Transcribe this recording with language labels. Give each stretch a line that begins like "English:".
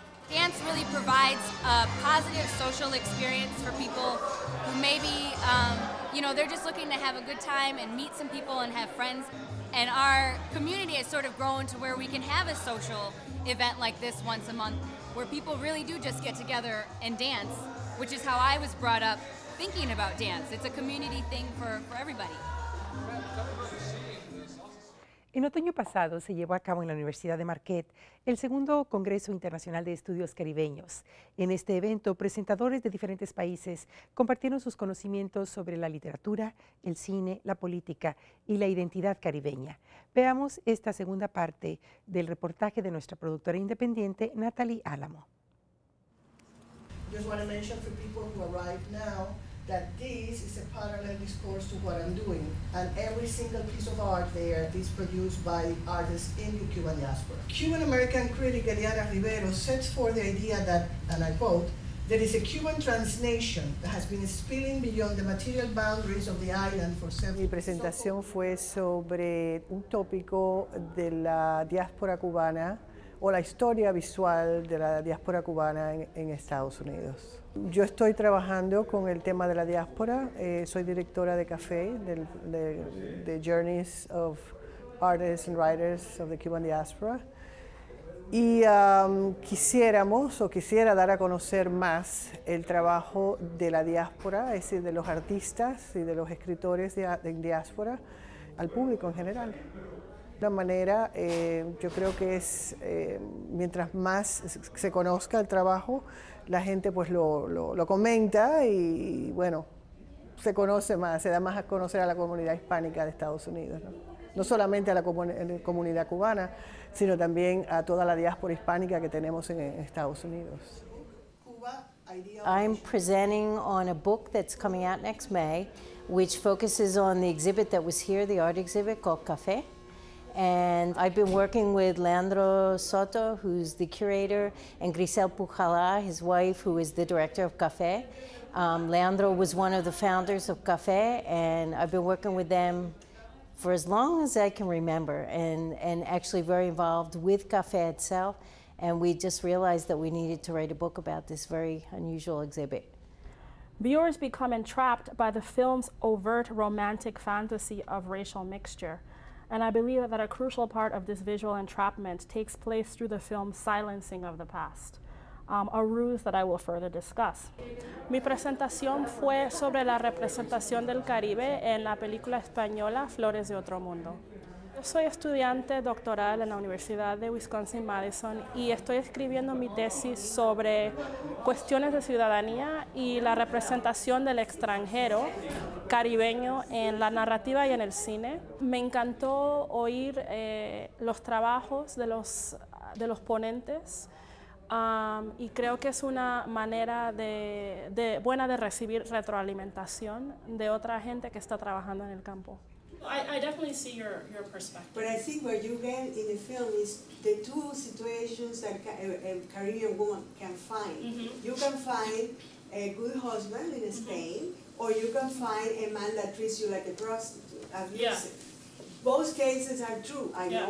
English: Dance really provides a positive social experience for people who maybe, they're just looking to have a good time and meet some people and have friends. And our community has sort of grown to where we can have a social event like this once a month, where people really do just get together and dance, which is how I was brought up thinking about dance. It's a community thing for everybody.
Spanish: En otoño pasado se llevó a cabo en la Universidad de Marquette el segundo Congreso Internacional de Estudios Caribeños. En este evento, presentadores de diferentes países compartieron sus conocimientos sobre la literatura, el cine, la política y la identidad caribeña. Veamos esta segunda parte del reportaje de nuestra productora independiente, Natalie Álamo.
English: Just want to mention for people who arrive now that this is a parallel discourse to what I'm doing. And every single piece of art there is produced by artists in the Cuban diaspora. Cuban American critic Eliana Rivero sets forth the idea that, and I quote, there is a Cuban transnation that has been spilling beyond the material boundaries of the island for several.
Spanish: Mi presentación fue sobre un tópico de la diáspora cubana o la historia visual de la diáspora cubana en Estados Unidos. Yo estoy trabajando con el tema de la diáspora. Soy directora de café de Journeys of Artists and Writers of the Cuban Diaspora. Y quisiera dar a conocer más el trabajo de la diáspora, es decir, de los artistas y de los escritores de diáspora al público en general. De una manera, yo creo que es, mientras más se conozca el trabajo, la gente pues lo comenta y bueno, se conoce más, se da más a conocer a la comunidad hispánica de Estados Unidos, ¿no? No solamente a la comunidad cubana, sino también a toda la diáspora hispánica que tenemos en Estados Unidos.
English: I'm presenting on a book that's coming out next May, which focuses on the exhibit that was here, the art exhibit called Café. And I've been working with Leandro Soto, who's the curator, and Grisel Pujala, his wife, who is the director of Café. Leandro was one of the founders of Café, and I've been working with them for as long as I can remember, and actually very involved with Café itself. And we just realized that we needed to write a book about this very unusual exhibit. Viewers become entrapped by the film's overt romantic fantasy of racial mixture. And I believe that a crucial part of this visual entrapment takes place through the film's silencing of the past, a ruse that I will further discuss.
Spanish: Mi presentación fue sobre la representación del Caribe en la película española Flores de Otro Mundo. Soy estudiante doctoral en la Universidad de Wisconsin-Madison y estoy escribiendo mi tesis sobre cuestiones de ciudadanía y la representación del extranjero caribeño en la narrativa y en el cine. Me encantó oír los trabajos de los ponentes y creo que es una manera buena de recibir retroalimentación de otra gente que está trabajando en el campo.
English: I definitely see your perspective. But I think what you get in the film is the two situations that a Caribbean woman can find. Mm-hmm. You can find a good husband in Spain, mm-hmm. or you can find a man that treats you like a prostitute, abusive. Yeah. Both cases are true, I know.